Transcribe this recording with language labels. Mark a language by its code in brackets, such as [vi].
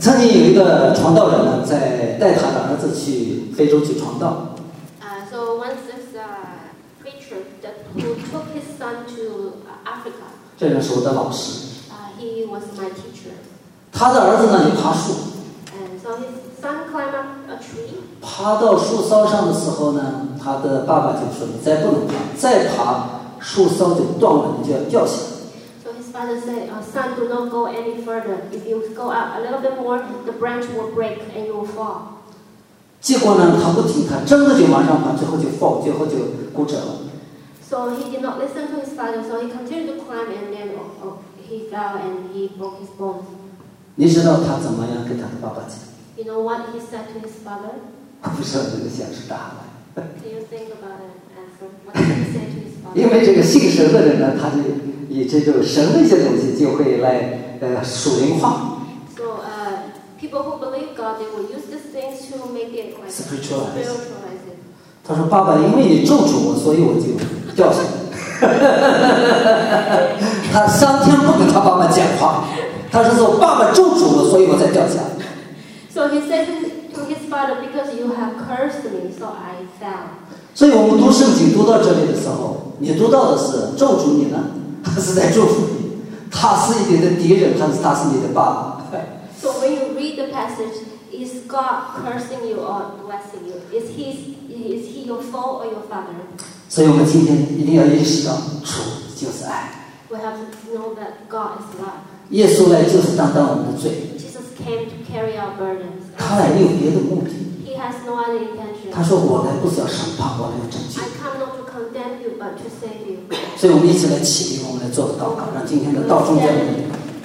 [zh] 曾经有一个传道人呢，在带他的儿子去非洲去传道。 [en] So once this preacher that who took his son to Africa. [zh] 这个是我的老师。 [en] He was my teacher. [zh] 他的儿子呢就爬树。 [en] And so his son climbed up a tree. [zh] 爬到树梢上的时候呢，他的爸爸就说：“你再不能爬，再爬树梢得断了你就要掉下。 [en] So his father said, son, do not go any further. If you go up a little bit more, the branch will break and you will fall. [zh] 结果呢，他不听，他真的就往上爬，最后就 [en] fall， [zh] 最后就骨折了。 [en] So he did not listen to his father, so he continued to climb and then he fell and he broke his bones. [zh] 你知道他怎么样跟他的爸爸讲？ [en] You know what he said to his father? [zh] 不是，这个像是大海。 [en] Can you think about it? And so, what did he say to his father? [zh] 因为这个信神的人呢，他就以这种神的一些东西就会来属灵化。 [en] So, people who believe God, they will use these things to make it like spiritualize. [zh] 他说：“爸爸，因为你咒诅我，所以我就掉下来。他三天不跟他爸爸讲话，他是说爸爸咒诅我，所以我才掉下来。” [en] So he said to his father, because you have cursed me, so I fell. [zh] 所以我们读圣经读到这里的时候，你读到的是咒诅你呢，他是在祝福你，他是你的敌人，还是他是你的爸爸？ [en] So when you read the passage, is God cursing you or blessing you? Is he your foe or your father? [zh] 所以我们今天一定要意识到，主就是爱。 [en] We have to know that God is love. [zh] 耶稣来就是担当我们的罪。 [en] Jesus came to carry our burdens. [zh] 他来没有别的目的。 [en] He has no other intention. [zh] 他说我来不是要审判，我来要拯救。 [en] I come not to condemn you, but to save you. [zh] 所以我们一起来起立，我们来做个祷告，让今天的道中间的人。